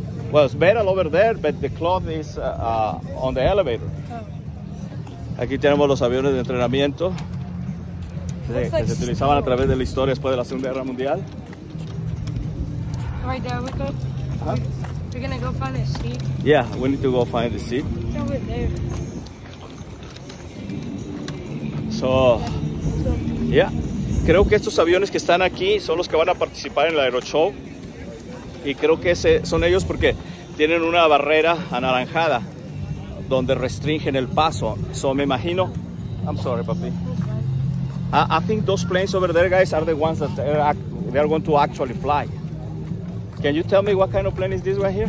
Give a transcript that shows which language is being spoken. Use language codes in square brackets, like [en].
[en] Well, it's metal over there, but the cloth is on the elevator. Oh. [es] Aquí tenemos los aviones de entrenamiento que se utilizaban a través de la historia después de la Segunda Guerra Mundial. [en] All right, there we go. Huh? We're gonna go find a seat. Yeah, we need to go find the seat. It's over there. So, yeah. [es] Creo que estos aviones que están aquí son los que van a participar en el aeroshow. Y creo que son ellos porque tienen una barrera anaranjada donde restringen el paso. So me imagino, [en] I'm sorry, [es] papi. [en] I think those planes over there, guys, are the ones that they are going to actually fly. Can you tell me what kind of plane is this one here?